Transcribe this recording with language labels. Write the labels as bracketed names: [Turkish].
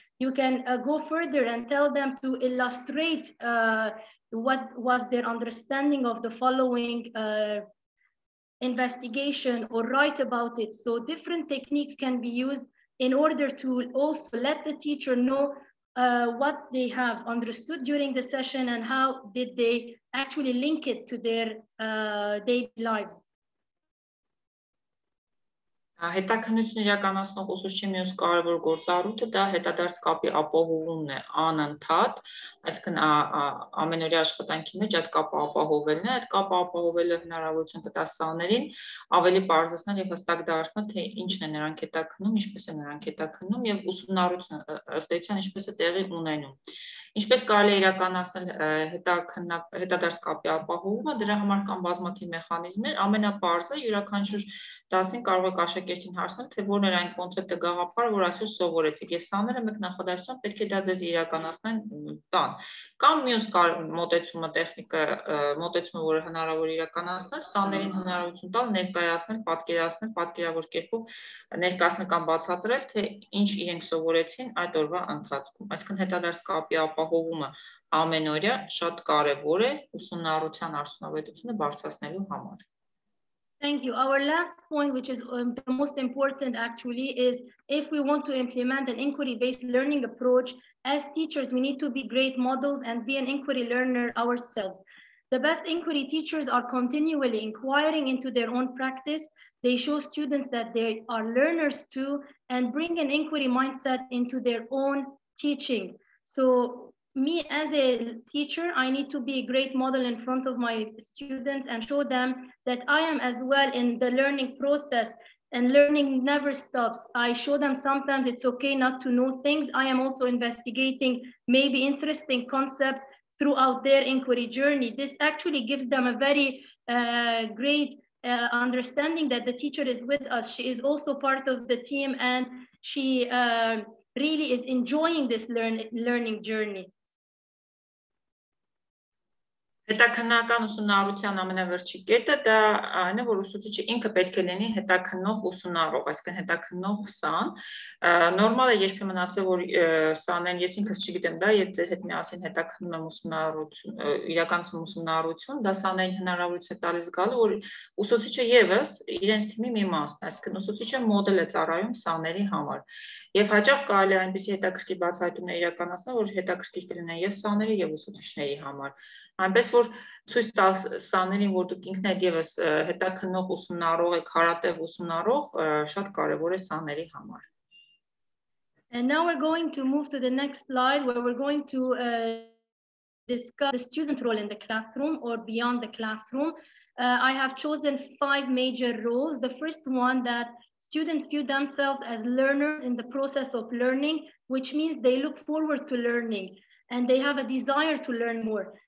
[English] You can go further and tell them to illustrate what was their understanding of the following investigation or write about it. So different techniques can be used in order to also let the teacher know what they have understood during the session and how did they actually link it to their daily lives. [Armenian] Հետաքննություն իրականացնող ուսուցչի մյուս կարևոր գործառույթը դա հետադարձ կապի ապահովումն է անընդհատ, այսինքն ամենօրյա աշխատանքի մեջ այդ կապը ապահովելն է, այդ կապը ապահովելը հնարավորություն կտա սաներին ավելի բարձրացնել եւ հստակ դարձնել, թե ինչն է նրանք հետաքննում, ինչպես է նրանք հետաքննում եւ ուսումնառության ստեյցիան ինչպես է տեղի ունենում։ Ինչպես կարելի է իրականացնել հետադարձ կապի ապահովումը, դրա համար կան բազմաթիվ մեխանիզմներ, ամենապարզը յուրաքանչյուր դասին կարող է աշակերտին հարցնել, թե որն է այն կոնցեպտը գաղափարը, որ այսօր սովորեցիք, եւ սաները մեկ նախադասությամբ պետք է դա ձեզ իրականացնեն տան։ Կամ մյուս մոտեցումը, տեխնիկա մոտեցումը, որը հնարավոր իրականացնել, սաներին հնարավորություն տալ ներկայացնել, պատկերացնել, պատկերավոր կերպով ներկայացնել կամ բացատրել, թե ինչ իրենք սովորեցին այդ օրվա ընթացքում, այսինքն հետադարձ կապի ապահովումը ամենօրյա շատ կարևոր է ուսումնառության արդյունավետությունը բարձրացնելու համար։ [English] Thank you. Our last point, which is the most important actually, is if we want to implement an inquiry-based learning approach, as teachers, we need to be great models and be an inquiry learner ourselves. The best inquiry teachers are continually inquiring into their own practice. They show students that they are learners too and bring an inquiry mindset into their own teaching. So me as a teacher, I need to be a great model in front of my students and show them that I am as well in the learning process and learning never stops. I show them sometimes it's okay not to know things. I am also investigating maybe interesting concepts throughout their inquiry journey. This actually gives them a very great understanding that the teacher is with us. She is also part of the team and she really is enjoying this learning journey. [Armenian] Հետաքննական ուսումնառության ամենավերջի կետը դա այն է, որ ուսուցիչը ինքը պետք է լինի հետաքննող ուսումնառող, այսինքն հետաքննող սան։ Նորմալ է երբեմն ասել, որ սանեն ես ինքս չգիտեմ դա, եւ ձեր հետ միասին հետաքննում եմ ուսումնառություն, իրականացնում ուսումնառություն, դա սանեն հնարավորություն է տալիս գալու, որ ուսուցիչը եւս իրենց թիմի մի մասն է, այսինքն ուսուցիչը մոդել է ծառայում սաների համար։ Եվ հաճախ կարելի է այնպեսի հետաքրքիր բացահայտումներ իրականացնել, որ հետաքրքիր կլինեն եւ սաների, եւ ուսուցիչների համար։ Այնպես որ ցույց տալ սաներին, որ դուք ինքն եք եւս հետաքննող ուսումնառող եք, հարատև ուսումնառող, շատ կարեւոր է սաների համար։ [English] And now we're going to move to the next slide where we're going to discuss the student role in the classroom or beyond the classroom. I have chosen five major roles. The first one, that students view themselves as learners in the process of learning, which means they look forward to learning and they have a desire to learn more.